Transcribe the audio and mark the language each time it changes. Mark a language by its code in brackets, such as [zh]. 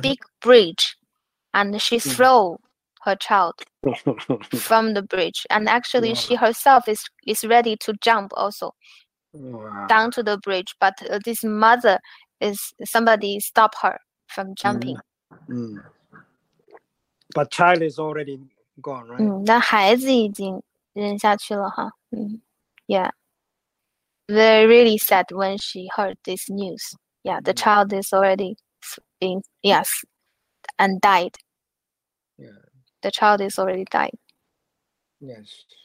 [en] big bridge, and she throw mm-hmm. her child from the bridge. And actually, wow. she herself is ready to jump also. Wow. down to the bridge, but this mother is somebody stop her from jumping. Mm. Mm. But child is already gone, right? [zh] 那孩子已经扔下去了哈。 [en] Yeah. They're really sad when she heard this news. Yeah, the child is already been, yes, and died. Yeah. The child is already died. Yes.